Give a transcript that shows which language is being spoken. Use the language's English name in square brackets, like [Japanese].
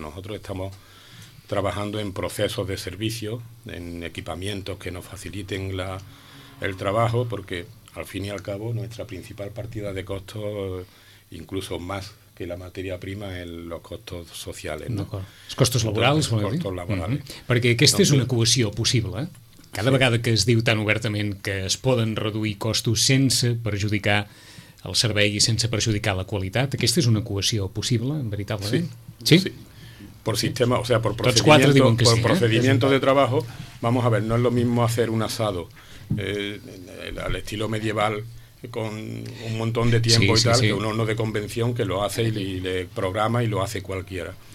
[Spanish] Nosotros estamos trabajando en procesos de servicio, en equipamientos que nos faciliten el trabajo, porque al fin y al cabo nuestra principal partida de costos, incluso más que la materia prima en los costos sociales, ¿no? [Catalan] Els costos laborals, vol dir? Els costos laborals. Mm-hmm. Perquè aquesta és una equació possible, cada vegada que es diu tan obertament que es poden reduir costos sense perjudicar el servei i sense perjudicar la qualitat, aquesta és una equació possible, veritablement? Sí. [Spanish] Por sistema, o sea, por procedimiento, por procedimiento de trabajo, vamos a ver, no es lo mismo hacer un asado al estilo medieval con un montón de tiempo que un horno de convención que lo hace y le programa y lo hace cualquiera.